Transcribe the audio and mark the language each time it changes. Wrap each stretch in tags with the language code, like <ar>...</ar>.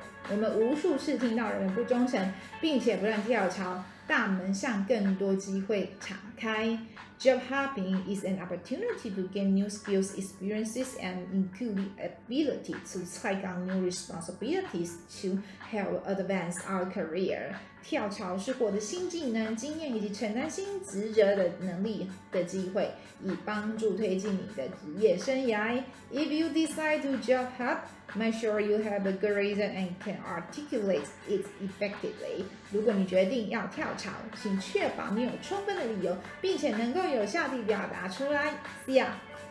<zh>我们无数次听到人们不忠诚，并且不断跳槽，大门向更多机会敞开。</zh> <en>Job hopping is an opportunity to gain new skills, experiences, and include the ability to take on new responsibilities to help advance our career.</en> <zh>跳槽是获得新技能、经验以及承担新职责的能力的机会，以帮助推进你的职业生涯。</zh> <en>If you decide to job hop, make sure you have a good reason and can articulate it effectively.</en> <zh>如果你决定要跳槽，请确保你有充分的理由，并且能够有效地表达出来。</zh> <en>See ya!</en>